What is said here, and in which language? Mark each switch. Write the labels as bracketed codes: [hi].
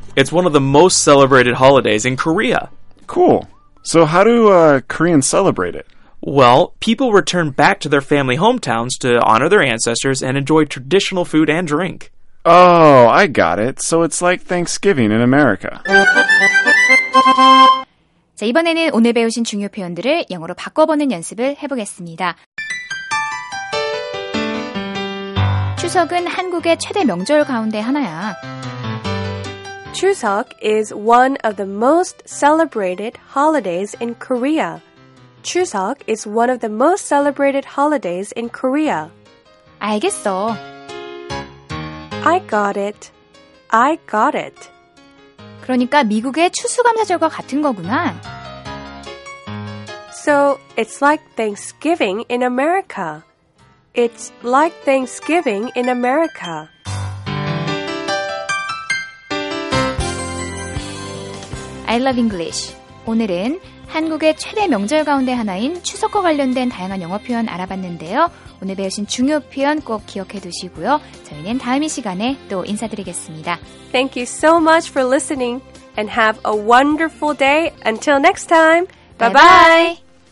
[en] It's one of the most celebrated holidays in Korea. Cool. So how do Koreans celebrate it? Well, people return back to their family hometowns to honor their ancestors and enjoy traditional food and drink. Oh, I got it. So it's like Thanksgiving in America. [ko] 자, 이번에는 오늘 배우신 중요 표현들을 영어로 바꿔보는 연습을 해보겠습니다. 추석은 한국의 최대 명절 가운데 하나야. [en] Chuseok is one of the most celebrated holidays in Korea. Chuseok is one of the most celebrated holidays in Korea. [ko] 알겠어. [en] I got it. I got it. [ko] 그러니까 미국의 추수감사절과 같은 거구나. [en] So it's like Thanksgiving in America. It's like Thanksgiving in America. 'I love English.' [ko] 오늘은 한국의 최대 명절 가운데 하나인 추석과 관련된 다양한 영어 표현 알아봤는데요. 오늘 배우신 중요 표현 꼭 기억해 두시고요. 저희는 다음 이 시간에 또 인사드리겠습니다. [en] Thank you so much for listening. and have a wonderful day. Until next time, bye-bye!